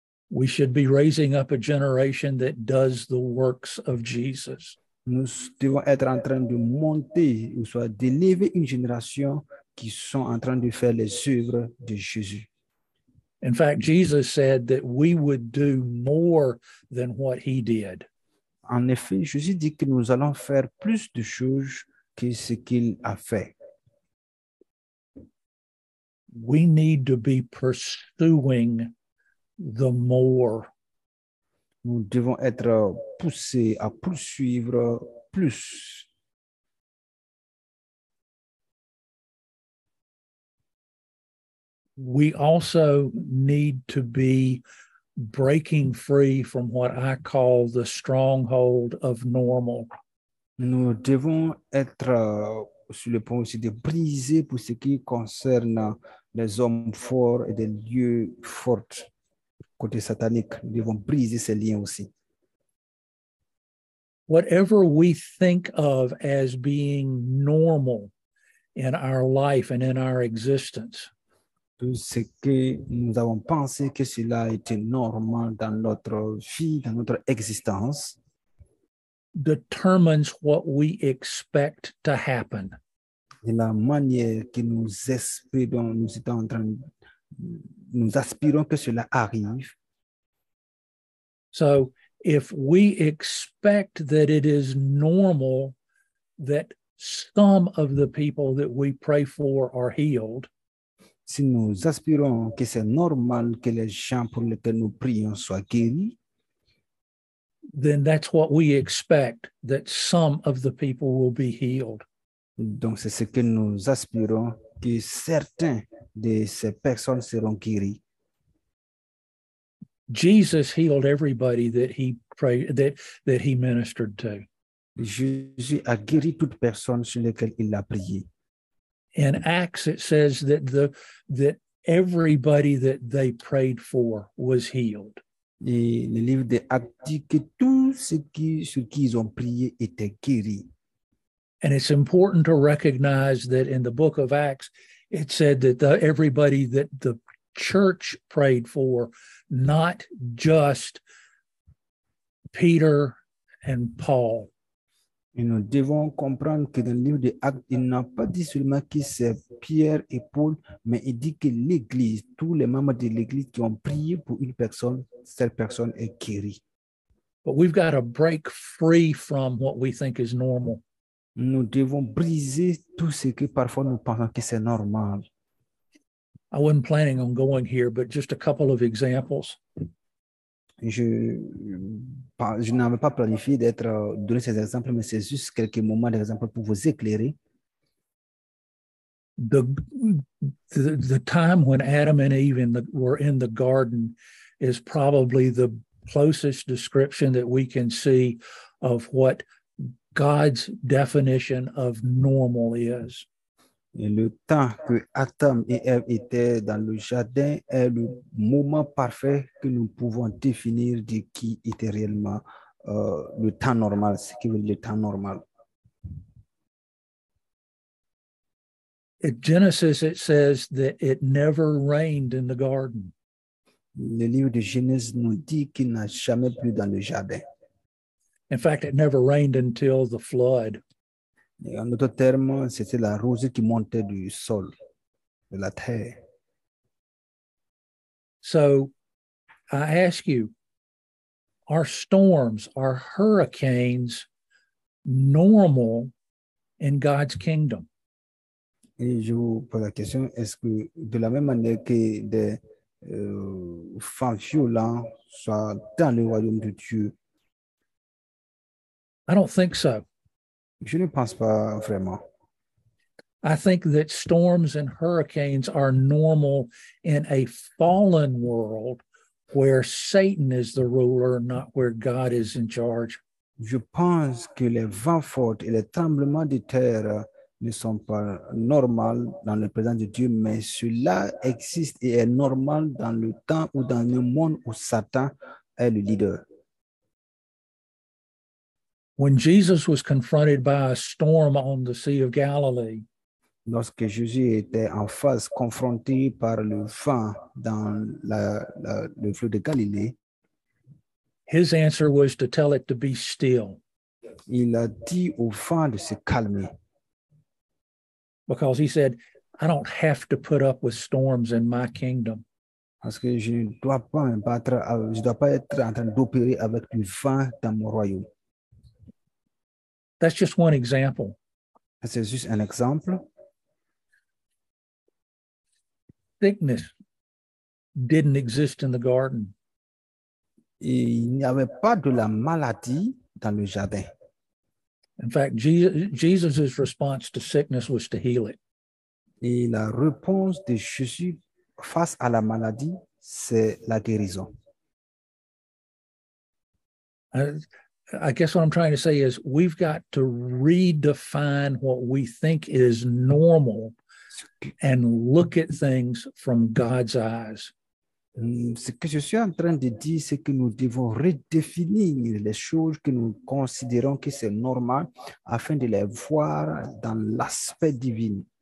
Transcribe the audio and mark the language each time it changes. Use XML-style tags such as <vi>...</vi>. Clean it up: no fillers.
<en>We should be raising up a generation that does the works of Jesus.</en> <fr>Nous devons être en train de monter ou soit d'élever une génération qui sont en train de faire les œuvres de Jésus.</fr> <en>In fact, Jesus said that we would do more than what he did.</en> <fr>En effet, Jésus dit que nous allons faire plus de choses que ce qu'il a fait.</fr> <en>We need to be pursuing the more.</en> <fr>Nous devons être poussés à poursuivre plus.</fr> <en>We also need to be breaking free from what I call the stronghold of normal.</en> <fr>Nous devons être sur le point aussi de briser pour ce qui concerne les hommes forts et des lieux forts côté satanique. Nous devons briser ces liens aussi.</fr> <en>Whatever we think of as being normal in our life and in our existence.</en> <fr>Tout ce que nous avons pensé que cela était normal dans notre vie, dans notre existence,</fr> <en>determines what we expect to happen.</en> <fr>Et la manière que nous espérons, nous étions en train, nous aspirons que cela arrive.</fr> <en>So, if we expect that it is normal that some of the people that we pray for are healed,</en> <fr>si nous aspirons que c'est normal que les gens pour lesquels nous prions soient guéris,</fr> <en>then that's what we expect, that some of the people will be healed.</en> <fr>Donc c'est ce que nous aspirons, que certains de ces personnes seront guéris.</fr> <en>Jesus healed everybody that he prayed, that he ministered to.</en> <fr>Jésus a guéri toute personne sur laquelle il a prié.</fr> <en>In Acts it says that that everybody that they prayed for was healed.</en> <fr>Et le livre des Actes dit que tout ce qui, sur qui ils ont prié était guéri.</fr> <en>And it's important to recognize that in the book of Acts, it said that everybody that the church prayed for, not just Peter and Paul.</en> <fr>Et nous devons comprendre que dans le livre des Actes, il n'a pas dit seulement que c'est Pierre et Paul, mais il dit que l'Église, tous les membres de l'Église qui ont prié pour une personne, cette personne est guérie.</fr> <en>But we've got to break free from what we think is normal.</en> <fr>Nous devons briser tout ce que parfois nous pensons que c'est normal.</fr> <en>I wasn't planning on going here, but just a couple of examples.</en> <fr>Je n'avais pas planifié d'être donné ces exemples, mais c'est juste quelques moments d'exemple pour vous éclairer.</fr> <en>The time when Adam and Eve were in the garden is probably the closest description that we can see of what God's definition of normal is.</en> <fr>Et le temps que Adam et Eve étaient dans le jardin est le moment parfait que nous pouvons définir de qui était réellement le temps normal, ce qui veut dire le temps normal.</fr> <en>In Genesis, it says that it never rained in the garden.</en> <fr>Le livre de Genèse nous dit qu'il n'a jamais plu dans le jardin.</fr> <en>In fact, it never rained until the flood.</en> <fr>Et en d'autres termes, c'était la rosée qui montait du sol, de la terre.</fr> <en>So, I ask you, are storms, are hurricanes normal in God's kingdom?</en> <fr>Et je vous pose la question, est-ce que de la même manière que des vents violents soient dans le royaume de Dieu?</fr> <en>I don't think so.</en> <fr>Je ne pense pas vraiment.</fr> <en>I think that storms and hurricanes are normal in a fallen world where Satan is the ruler, not where God is in charge.</en> <fr>Je pense que les vents forts et les tremblements de terre ne sont pas normaux dans le présent de Dieu, mais cela existe et est normal dans le temps ou dans le monde où Satan est le leader.</fr> <en>When Jesus was confronted by a storm on the Sea of Galilee,</en> <fr>lorsque Jésus était en face confronté par le vent dans le fleuve de Galilée,</fr> <en>his answer was to tell it to be still.</en> <fr>Il a dit au vent de se calmer.</fr> <en>Because he said, I don't have to put up with storms in my kingdom.</en> <fr>Parce que je ne dois pas me battre, je ne dois pas être en train d'opérer avec le vent dans mon royaume.</fr> <en>That's just one example.</en> <fr>C'est juste un exemple.</fr> <en>Sickness didn't exist in the garden.</en> <fr>il n'y avait pas de la maladie dans le jardin.</fr> <en>In fact, Jesus' response to sickness was to heal it.</en> <fr>Et la réponse de Jésus face à la maladie, c'est la guérison.</fr> <en>I guess what I'm trying to say is we've got to redefine what we think is normal and look at things from God's eyes.</en> <fr>Ce que je suis en train de dire, c'est que nous devons redéfinir les choses que nous considérons que c'est normal afin de les voir dans l'aspect divin.</fr>